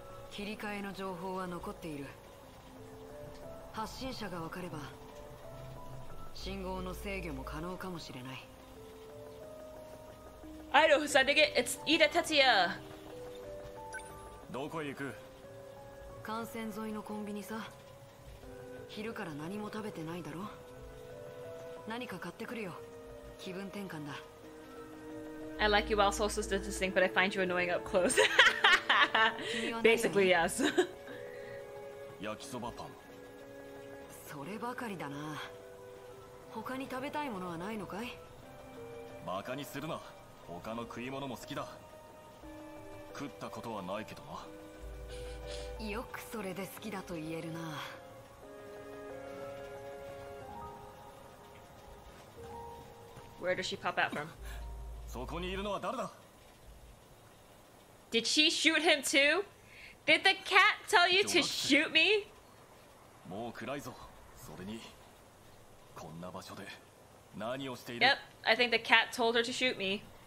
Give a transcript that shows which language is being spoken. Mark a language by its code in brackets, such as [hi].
[ja] 切り替えの情報は残っている。発信者が分かれば信号の制御も可能かもしれない。 [en] I know who's sending it. It's Ida Tetsuya. [ja] どこへ行く？幹線沿いのコンビニさ。昼から何も食べてないだろ。何か買ってくるよ。気分転換だ。 [en] I like you while social distancing, but I find you annoying up close. Basically, yes. [ja] 焼きそばパン。そればかりだな。他に食べたいものはないのかい？バカにするな。他の食い物も好きだ。食ったことはないけどな。よくそれで好きだと言えるな。 [en] Where does she pop out from? [ja] そこにいるのは誰だ? [en] Did she shoot him too? Did the cat tell you to shoot me? [ja] もう暗いぞ。それに、こんな場所で何をしている? [en] Yep, I think the cat told her to shoot me.